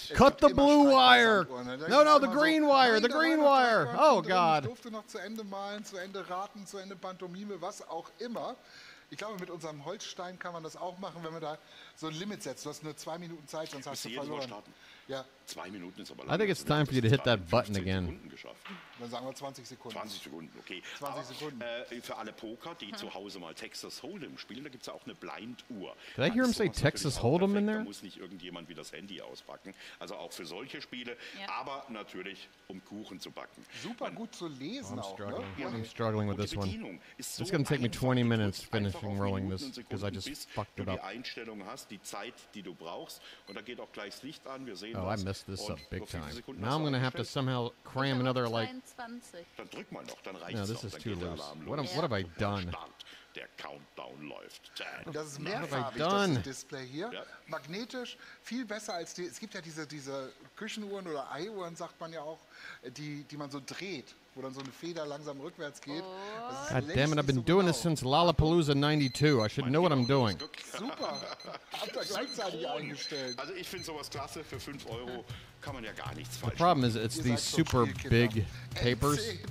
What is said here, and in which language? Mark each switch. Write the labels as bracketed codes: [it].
[en] Cut the blue wire! No, no, the green wire, the green wire! Oh, God. [de] Ich durfte noch zu Ende malen, zu Ende raten, zu Ende Pantomime, was auch immer. Ich glaube, mit unserem Holzstein kann man das auch machen, wenn man da so ein Limit setzt. Du hast nur 2 Minuten Zeit, sonst hast du verloren. Ja. 2 Minuten ist aber lang. [en] I think it's time for you to hit that button again. [de] Dann sagen wir 20 Sekunden. 20 Sekunden, okay. 20 aber, Sekunden. Für alle Poker, die zu Hause mal Texas Hold'em spielen, da gibt es ja auch eine Blind-Uhr. [en] Did I hear him say Texas Hold'em in there? [de] Da muss nicht irgendjemand wieder das Handy auspacken. Also auch für solche Spiele, yeah. aber natürlich, um Kuchen zu backen. Super gut zu lesen auch, ne? [en] I'm struggling with this one. It's going to take me 20 minutes finishing rolling this, because I just fucked it up. [de] Du die Einstellung hast, die Zeit, die du brauchst, und da geht auch gleich das Licht an, wir sehen was. [en] Mess this up big time. Now I'm going to have to somehow cram another, like... No, this is too loose. What have I done? [de] Der Countdown läuft. Das ist mehrfarbig, das Display hier. Magnetisch, viel besser als die... Es gibt ja diese Küchenuhren oder Eiuhren, sagt man ja auch, die man so dreht, wo dann so eine Feder langsam rückwärts geht. [en] God damn it, I've been doing this since Lollapalooza 92. I should know what I'm doing. [de] Super. Habt ihr gleichzeitig eingestellt. Also ich finde sowas klasse. Für 5 Euro kann man ja gar nichts falsch. [en] The problem is it's these super big papers.